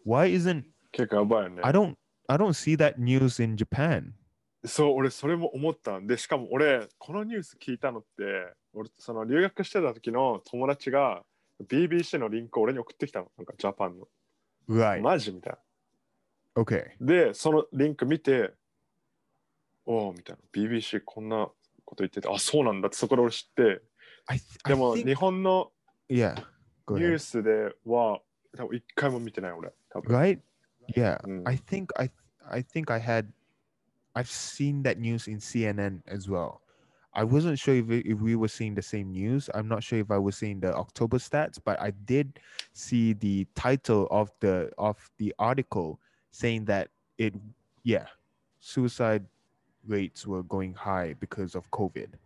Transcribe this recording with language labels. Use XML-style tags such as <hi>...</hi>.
<en>Why isn't I don't see that news in Japan.</en> <ja>そう、俺それも思ったんで、しかも俺このニュース聞いたのって、俺その留学してた時の友達が BBC のリンクを俺に送ってきたの。なんかジャパンの。</ja> <en>Right.</en> <ja>マジみたいな。</ja> <en>Okay.</en> <ja>で、そのリンク見て、おーみたいな。 BBC こんなこと言ってて、あ、そうなんだってそこで俺知って。でも日本のニュースでは、多分一回も見てない俺。</ja> <en>Right? Yeah.、</en> <ja>うん、</ja> <en>I think I had... I've seen that news in CNN as well. I wasn't sure if we were seeing the same news. I'm not sure if I was seeing the October stats, but I did see the title of the article saying that suicide rates were going high because of COVID.</en>